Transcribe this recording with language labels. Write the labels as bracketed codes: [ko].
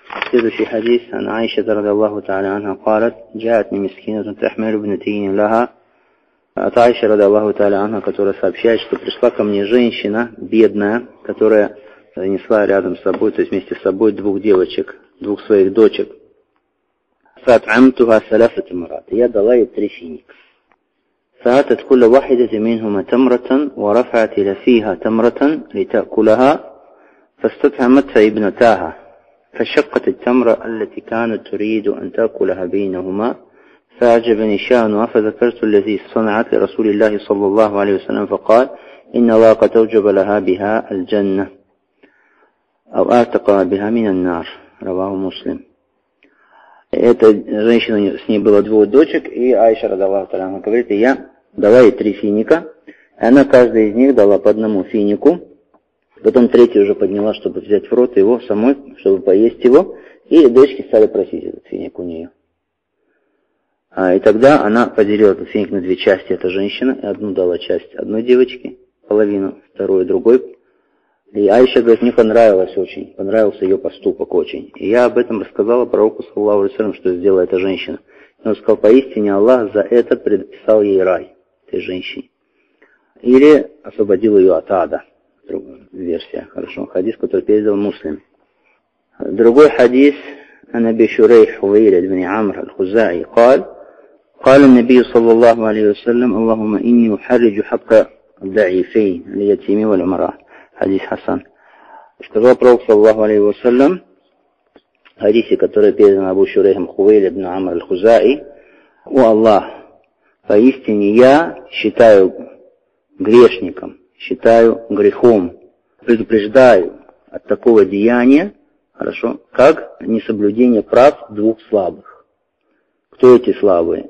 [ru] Следующий хадис от Аиши радиаллаху тааля анха [ar] قالت جاءت مسكينة تحمل ابنتين لها [ru] от Аиши радиаллаху тааля анха, которая сообщает, что пришла ко мне женщина бедная, которая занесла рядом с собой, то есть вместе с собой двух девочек, двух своих дочек. [ar] فأطعمتها ثلاثة تمرات. [ru] Я дала ей три финика. [ar] فأعطت كل واحدة منهما تمرة ورفعت إلى فيها تمرة لتأكلها فاستطعمتها ابنتاها فشقت التمرة التي كانت تريد أن تأكلها بينهما فأعجبني شأنها فذكرت الذي صنعت لرسول الله صلى الله عليه وسلم فقال إن الله قد أوجب لها بها الجنة أو أعتق بها من النار رواه مسلم. [ru] Эта женщина, с ней было двое дочек, и Аиша радиаллаху тааля анха говорит, и я дала ей три финика, и она каждой из них дала по одному финику, потом третий уже подняла, чтобы взять в рот его самой, чтобы поесть его, и дочки стали просить этот финик у нее. И тогда она поделила этот финик на две части, эта женщина, и одну дала часть одной девочке, половину, вторую, другой. И Аиша говорит, мне понравилось очень, понравился ее поступок очень. И я об этом рассказала пророку, саллаллаху алейхи ва саллям, что сделала эта женщина. И он сказал, поистине Аллах за это предписал ей рай, этой женщине. Или освободил ее от ада. Другая версия, хорошо, хадис, который передал муслим. Другой хадис, [ar] Анаби Шурейх Хувейр ибн Амр аль-Хузаи, قال النبي صلى الله عليه وسلم, اللهم إني أحرج حق الضعيفين, اليتيم والعمراء. [ru] Хадис Хасан. Сказал пророк, саллаллаху алейхи ва саллям, в хадисе, который передан Абу Шурейхом Хувейль ибн Амр аль-Хузаи, о Аллах, поистине я считаю грешником, считаю грехом, предупреждаю от такого деяния, хорошо, как несоблюдение прав двух слабых. Кто эти слабые?